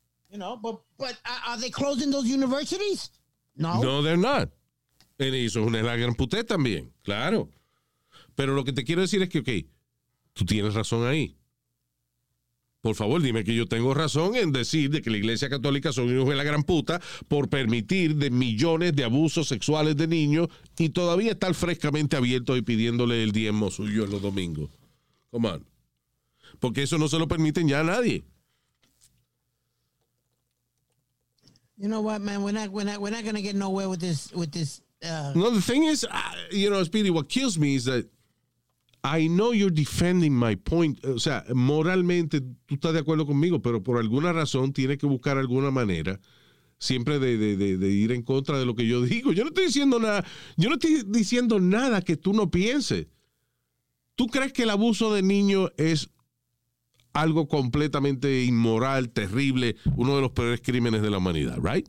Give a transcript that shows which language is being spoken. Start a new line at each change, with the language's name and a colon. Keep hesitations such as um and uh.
English: You know, but, but uh, are they closing those universities? No. No, they're not.
Spanish: En eso es una gran puta también, claro. Pero lo que te quiero decir es que, ok, tú tienes razón ahí. Por favor, dime que yo tengo razón en decir de que la iglesia católica son una gran puta por permitir de millones de abusos sexuales de niños y todavía estar frescamente abierto y pidiéndole el diezmo suyo en los domingos.
English: Come on.
Spanish: Porque eso no se lo permiten ya a nadie.
English: You know what, man? We're not, we're not, we're not going get nowhere with this. With this. Uh, no, the thing is, I, uh, you know, Speedy, what kills me is that I know you're defending my point.
Spanish: O sea, moralmente tú estás de acuerdo conmigo, pero por alguna razón tiene que buscar alguna manera siempre de, de, de ir en contra de lo que yo digo. Yo no estoy diciendo nada, yo no estoy diciendo nada que tú no pienses. ¿Tú crees que el abuso de niños es algo completamente inmoral, terrible, uno de los peores crímenes de la humanidad,
English: right?